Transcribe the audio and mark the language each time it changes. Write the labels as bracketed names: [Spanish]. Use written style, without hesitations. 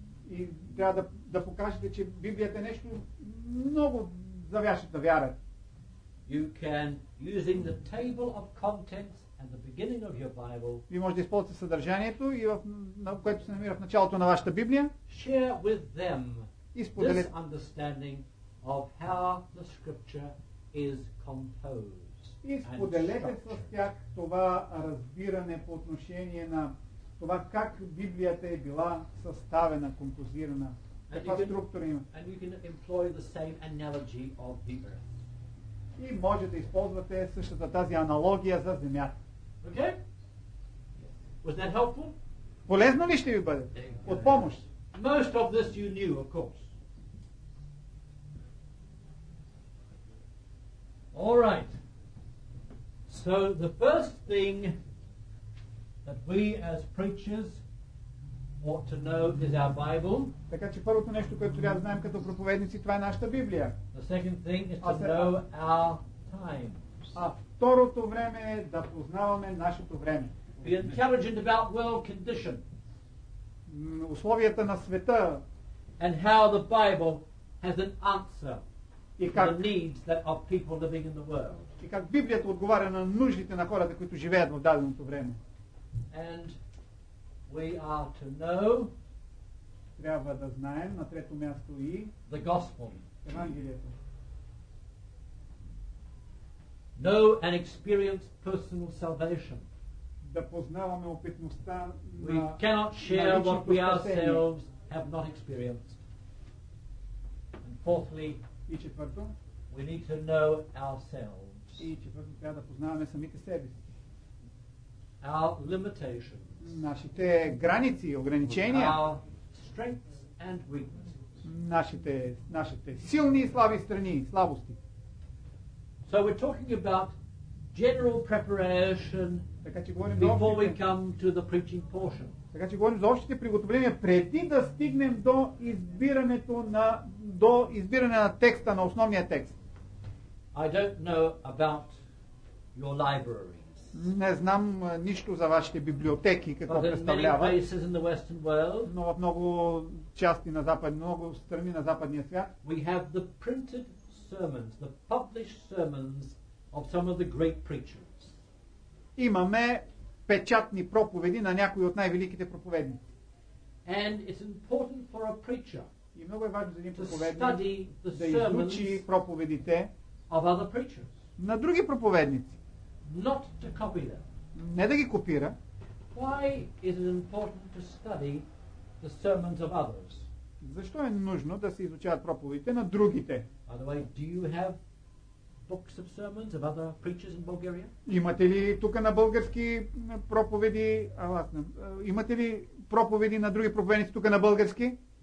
[Bulgarian] И трябва да покажете, че Библията е нещо много завяшата вяра. [English] You can, using the table of contents at the beginning of your Bible. [Bulgarian] Ви може да използвате съдържанието, и на което се намира в началото на вашата Библия. [English] Share with them this understanding of how the scripture is composed. [Bulgarian] И споделете с тях това разбиране по отношение на това как Библията е била съставена, композирана, каква структура има. [English] And you can employ the same analogy of the earth. [Bulgarian] И може да използвате същата тази аналогия за земята. [English] Okay? Was that helpful? [Bulgarian] Полезно ли ще ви бъде? От помощ? [English] Most of this you knew, of course. All right. So the first thing that we as preachers ought to know is our Bible. [Bulgarian] Така че първото нещо, което трябва да знаем като проповедници, това е нашата Библия. [English] The second thing is to know our time. [Bulgarian] А второто време е да познаваме нашето време. [English] Be intelligent about world condition. [Bulgarian] Условията на света. [English] And how the Bible has an answer to the needs that of people living in the world. [Bulgarian] И как Библията отговаря на нуждите на хората, които живеят в даденото време. [English] And we are to know, [Bulgarian] трябва да знаем на трето място и [English] the gospel. [Bulgarian] Евангелието. [English] Know and experience personal salvation. [Bulgarian] Да познаваме опитността на личното спасение. [English] We cannot share what we ourselves have not experienced. And fourthly, [Bulgarian] и четвърто, [English] we need to know ourselves. [Bulgarian] И четвърто, трябва да познаваме самите себе си. [English] Our limitations. [Bulgarian] Нашите граници, ограничения. [English] Our strengths and weaknesses. [Bulgarian] Нашите силни и слаби страни, слабости. [English] So we're talking about general preparation. [Bulgarian] Така че говорим за [English] before we come to the preaching portion. [Bulgarian] Така че говорим за общите приготовления преди да стигнем до избирането на текста, на основния текст. [English] I don't know about your library. [Bulgarian] Не знам нищо за вашите библиотеки, какво представляват. Но в много части на Запад, много страни на западния свят. [English] We have the printed sermons, the published sermons of some of the great preachers. [Bulgarian] Имаме печатни проповеди на някои от най-великите проповедници. [English] And it's important for a preacher. [Bulgarian] И много е важно за един проповедник да изучи проповедите [English] of other preachers. [Bulgarian] На други проповедници. [English] Not to copy them. [Bulgarian] Не да ги копира. [English] Why is it important to study the sermons of others? [Bulgarian] Защо е нужно да се изучават проповедите на другите? [English] By the way, do you have books of sermons of other preachers in Bulgaria? [Bulgarian] Имате ли тук на български проповеди? Имате ли проповеди на други проповедници тук на български?